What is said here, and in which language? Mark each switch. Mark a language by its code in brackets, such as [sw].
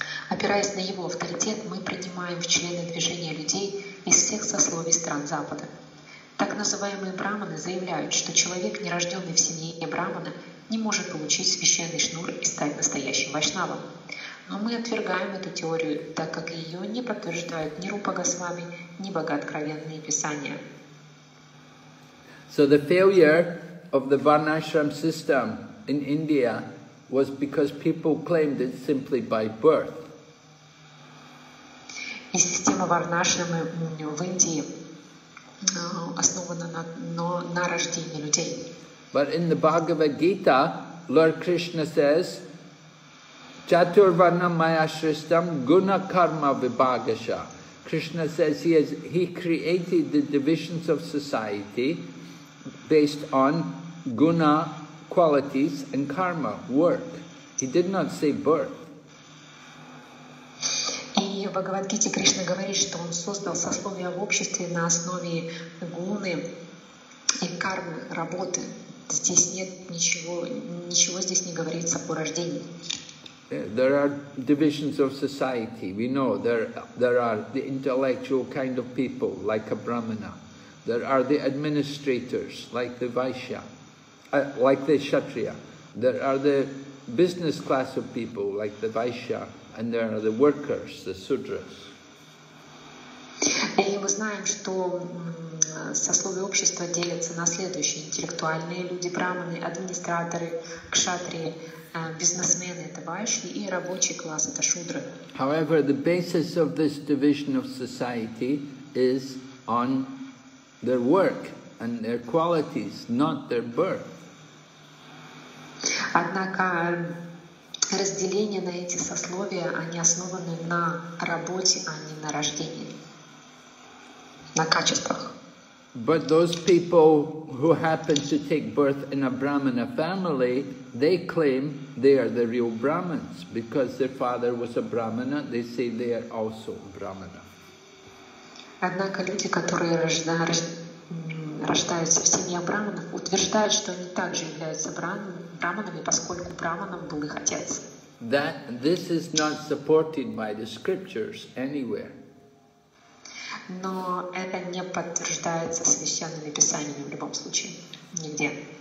[ru] Опираясь на его авторитет, мы принимаем в члены движения людей из всех сословий стран Запада. Так называемые брахманы заявляют, что человек, нерожденный в семье брахмана, не может получить священный шнур и стать настоящим вайшнавом. Но мы отвергаем эту теорию, так как ее не подтверждают ни Рупа Госвами, ни богооткровенные писания. [en] So the failure of the Varnashram system in India was because people claimed it simply by birth. [ru] И система Варнашрамы в Индии основана на рождении людей. [en] But in the Bhagavad Gita, Lord Krishna says, [sa] Chaturvarnam Mayashristam Guna Karma Vibhagasha. [en] Krishna says he created the divisions of society based on guna qualities and karma, work. He did not say birth. [ru] И в Бхагавад-гите Кришна говорит, что он создал сословие в обществе на основе гуны и кармы, работы. Здесь нет ничего здесь не говорится о рождении. [en] There are divisions of society. We know there are the intellectual kind of people, like a brahmana. There are the administrators, like the vaishya, like the kshatriya. There are the business class of people, like the vaishya, and there are the workers, the sudras. [ru] И мы знаем, что сословие общества делится на следующие: интеллектуальные люди, брахманы, администраторы, кшатрии, бизнесмены, это вайши, и рабочий класс, это шудры. [en] However, the basis of this division of society is on their work and their qualities, not their birth. [ru] Однако разделение на эти сословия, они основаны на работе, а не на рождении, на качествах. [en] But those people who happen to take birth in a brahmana family, they claim they are the real brahmins because their father was a brahmana. They say they are also brahmana. [ru] Однако люди, которые рождаются в семье брахманов, утверждают, что они также являются брахманами, поскольку брахманом был их отец. [en] That this is not supported by the scriptures anywhere. [ru] Но это не подтверждается священными писаниями в любом случае, нигде.